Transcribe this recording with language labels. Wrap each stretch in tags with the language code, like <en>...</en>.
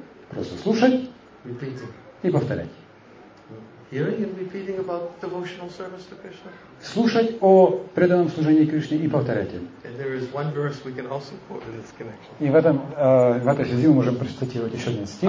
<ru>Просто слушать и повторять.</ru> <en>Hearing and repeating about devotional service to Krishna.</en> <ru>Слушать о преданном служении Кришне и повторять им.</ru> <en>And there is one verse we can also quote in this connection.</en> <ru>И в этой связи мы можем процитировать еще один стих.</ru>